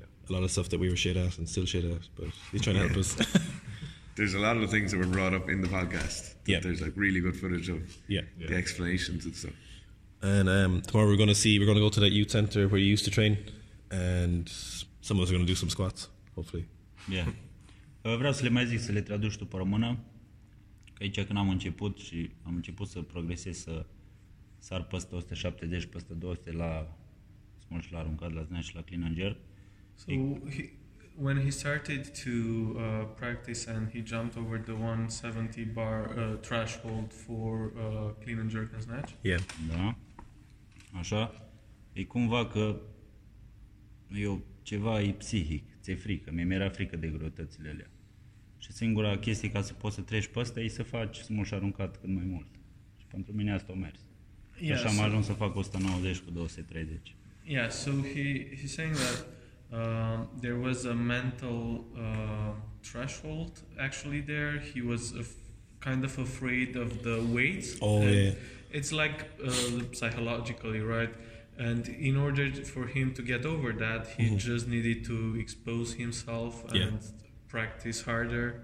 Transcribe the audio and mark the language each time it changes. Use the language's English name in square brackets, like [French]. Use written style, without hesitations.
[English] A lot of stuff that we were shit at and still shit at, but he's trying to help us. There's a lot of the things that were brought up in the podcast. There's like really good footage of the explanations and stuff. And tomorrow we're going to go to that youth center where you used to train, and some of us are going to do some squats, hopefully. Yeah. [Romanian] Vreau să le mai zic, să le traduc tu pe română, că aici când am început și am început să progresez, să sar peste 170, peste 200 la small și la aruncat, la snatch și la clean and jerk. [English] So when he started to practice and he jumped over the 170 bar threshold for clean and jerk and snatch? Yeah. [Romanian] Da. Așa. E cumva că eu ceva e psihic, ți-e frică, mie mi-era frică de greutățile alea. Și singura chestie ca să poți să treci peste e să faci small și aruncat cât mai mult. Și pentru mine asta a mers. Yeah, așa am ajuns să fac 190 cu 230. [English] Yeah, so he's saying that there was a mental threshold actually there. He was kind of afraid of the weights. Oh, yeah. It's like psychologically, right? And in order for him to get over that, he just needed to expose himself and practice harder.